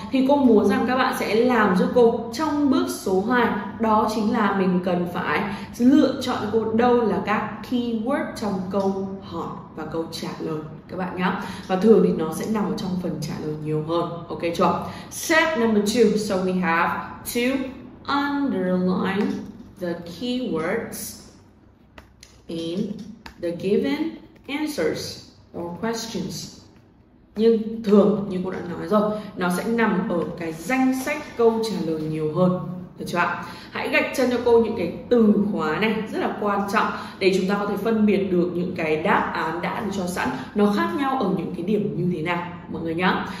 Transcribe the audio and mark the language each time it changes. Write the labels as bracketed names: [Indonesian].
[Vietnamese] Thì cô muốn rằng các bạn sẽ làm giúp cô trong bước số 2, đó chính là mình cần phải lựa chọn cô đâu là các keyword trong câu hỏi và câu trả lời các bạn nhé. Và thường thì nó sẽ nằm ở trong phần trả lời nhiều hơn. Ok chưa? [English] Step number 2. So we have to underline the keywords in the given answers or questions. [Vietnamese] Nhưng thường như cô đã nói rồi, nó sẽ nằm ở cái danh sách câu trả lời nhiều hơn. Được chưa ạ? Hãy gạch chân cho cô những cái từ khóa này rất là quan trọng, để chúng ta có thể phân biệt được những cái đáp án đã được cho sẵn nó khác nhau ở những cái điểm như thế nào mọi người nhá.